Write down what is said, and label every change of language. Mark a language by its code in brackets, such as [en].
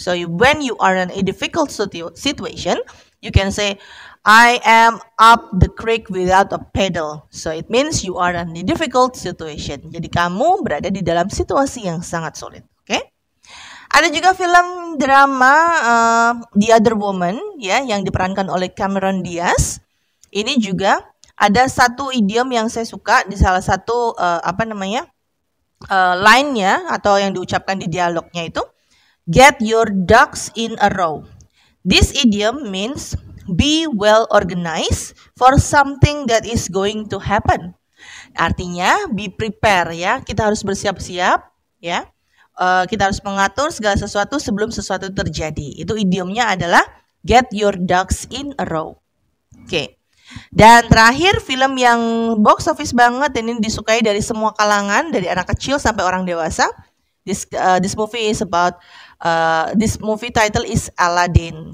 [en] So when you are in a difficult situation, you can say, I am up the creek without a paddle. So it means you are in a difficult situation. [id] Jadi kamu berada di dalam situasi yang sangat sulit. Oke? Okay? Ada juga film drama The Other Woman, ya, yang diperankan oleh Cameron Diaz. Ini juga ada satu idiom yang saya suka di salah satu line-nya atau yang diucapkan di dialognya itu, [en] get your ducks in a row. This idiom means be well organized for something that is going to happen. [id] Artinya [en] be prepared [id] ya, kita harus bersiap-siap ya. Kita harus mengatur segala sesuatu sebelum sesuatu terjadi. Itu idiomnya adalah [en] get your ducks in a row. [id] Oke. Okay. Dan terakhir film yang box office banget dan ini disukai dari semua kalangan dari anak kecil sampai orang dewasa. [en] This movie is about this movie title is Aladdin.